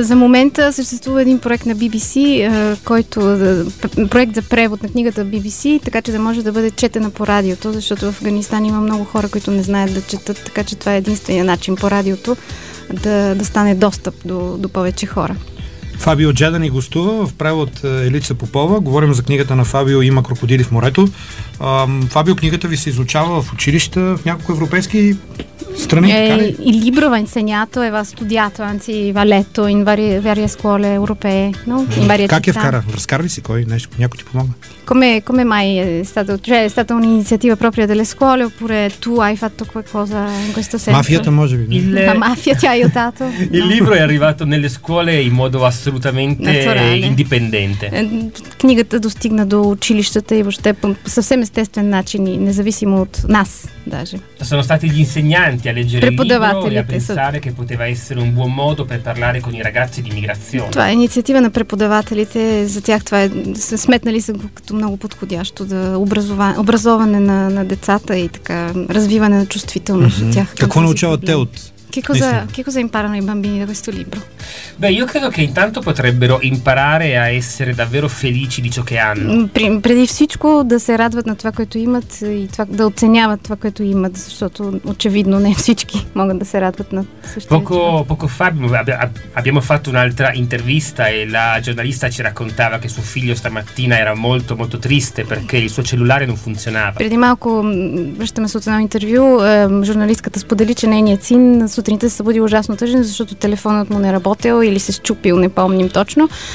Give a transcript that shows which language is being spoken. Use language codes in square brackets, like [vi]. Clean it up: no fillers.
[bg] За момента съществува един проект на BBC, който проект за превод на книгата BBC, така че да може да бъде четена по радиото, защото в Афганистан има много хора, които не знаят да четат, така че това е единственият начин по радиото да стане достъп до повече хора. Фабио Джеда ни гостува, в превод Елица Попова. Говорим за книгата на Фабио «Има крокодили в морето». Фабио, книгата ви се изучава в училища, в някои европейски страни? [it] Il libro va insegnato e va studiato, anzi va letto in varie scuole europee, no? In varie città. [bg] Как я вкара? Разкарвай си, кой? Някой ти помага? [it] Come mai è stata un'iniziativa propria delle scuole oppure tu hai fatto qualcosa in questo senso? [bg] Mafia, може би. [it] La mafia ti ha aiutato? Il libro è arrivato nelle scuole in modo assolutamente indipendente. [bg] Книгата достигна до училищата и въобще по съвсем естествен начин, независимо от нас даже. [it] Sono stati gli insegnanti a leggere il libro e a pensare che poteva essere un buon modo per parlare con i ragazzi di immigrazione. [bg] Това е инициатива на преподавателите, за тях това е сметнали са като много подходящо за образование на децата и така развиване на чувствителност от тях. Какво научават те от? [it] Che cosa imparano i bambini da questo libro? Beh, io credo che intanto potrebbero imparare a essere davvero felici di ciò che hanno. [bg] Преди всичко да се радват на това, което имат и да оценяват това, което имат, защото очевидно не всички могат да се радват на същото. [it] Poco fa abbiamo fatto un'altra intervista e la giornalista ci raccontava che suo figlio stamattina era molto molto triste perché il suo cellulare non funzionava. [bg] Преди малко връщаме се от едно интервю, журналистката сподели, че нейният син сутринта се събуди ужасно тъжен, защото телефонът му не работил или се счупил, не помним точно.